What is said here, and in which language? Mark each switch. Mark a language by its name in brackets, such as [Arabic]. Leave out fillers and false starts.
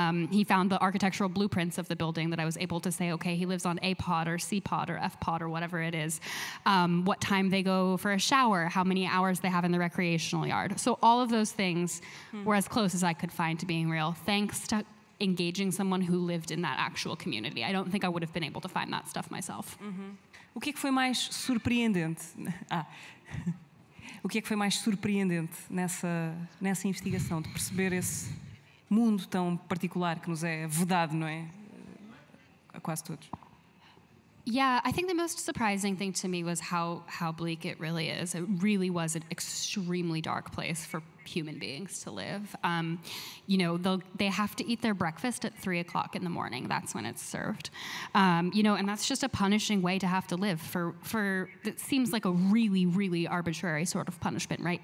[English] He found the architectural blueprints of the building that I was able to say, okay, he lives on A pod or C pod or F pod or whatever it is. What time they go for a shower, how many hours they have in the recreational yard. So all of those things were as close as I could find to being real, thanks to engaging someone who lived in that actual community. I don't think I would have been able to find that stuff myself. [Portuguese] Mm-hmm. O que é que foi mais surpreendente? O que é que foi mais surpreendente nessa investigação, de perceber esse mundo tão particular que nos é vedado, não é? A quase todos. [English] Yeah, I think the most surprising thing to me was how bleak it really is. It really was an extremely dark place for human beings to live. You know, they have to eat their breakfast at 3 o'clock in the morning. That's when it's served. You know, and that's just a punishing way to have to live for that seems like a really, really arbitrary sort of punishment, right?